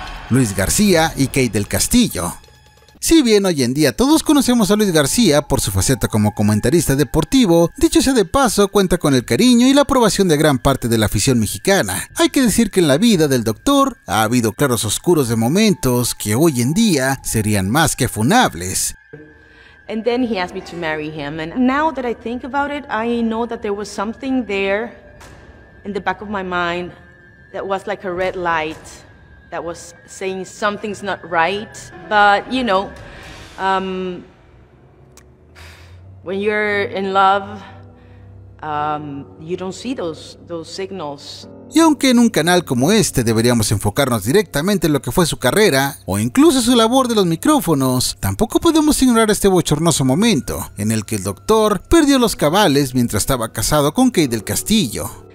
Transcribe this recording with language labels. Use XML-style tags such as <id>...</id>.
<es>Luis García y Kate del Castillo. Si bien hoy en día todos conocemos a Luis García por su faceta como comentarista deportivo, dicho sea de paso, cuenta con el cariño y la aprobación de gran parte de la afición mexicana. Hay que decir que en la vida del doctor ha habido claros oscuros de momentos que hoy en día serían más que funables.</es> <en>And then he asked me to marry him. And now that I think about it, I know that there was something there in the back of my mind that was like a red light that was saying something's not right. But, you know, when you're in love, you don't see those signals.</en> <es>Y aunque en un canal como este deberíamos enfocarnos directamente en lo que fue su carrera, o incluso su labor de los micrófonos, tampoco podemos ignorar este bochornoso momento, en el que el doctor perdió los cabales mientras estaba casado con Kate del Castillo.</es>